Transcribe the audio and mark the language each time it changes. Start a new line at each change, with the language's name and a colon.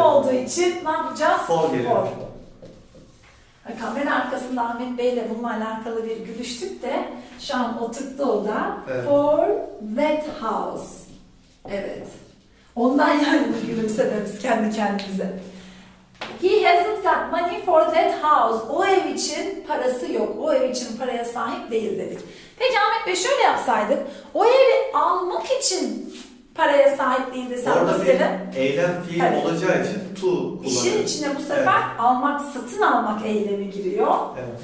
Turkish: Olduğu için ne yapacağız? For geliyor. Kameranın arkasında Ahmet Bey'le bununla alakalı bir gülüştük de şu an oturttu o da. Evet.
English: For that house.
Turkish: Evet. Ondan yani gülümsememiz kendi kendimize.
English: He hasn't got money for that house.
Turkish: O ev için parası yok. O ev için paraya sahip değil dedik. Peki Ahmet Bey şöyle yapsaydık. O evi almak için paraya sahip değildi. Sen orada bir eylem fiil evet. Olacağı için to kullanıyor. İşin içine bu sefer evet. Almak, satın almak eylemi giriyor. Evet.